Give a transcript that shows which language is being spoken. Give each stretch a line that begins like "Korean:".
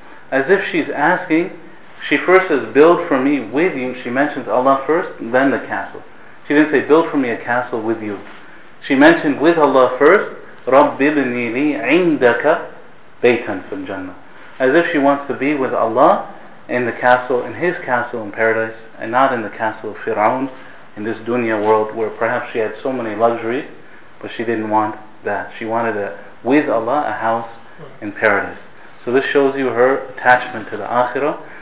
English: As if she's asking, she first says, build for me with you, she mentions Allah first, then the castle. She didn't say, build for me a castle with you. She mentioned with Allah first,
Arabic: رَبِّ بِنِي لِي عِنْدَكَ بَيْتًا فِي الْجَنَّةِ.
English: As if she wants to be with Allah in the castle, in His castle in paradise, and not in the castle of Fir'aun, in this dunya world, where perhaps she had so many luxuries, but she didn't want that. She wanted with Allah, a house in paradise. So this shows you her attachment to the akhirah.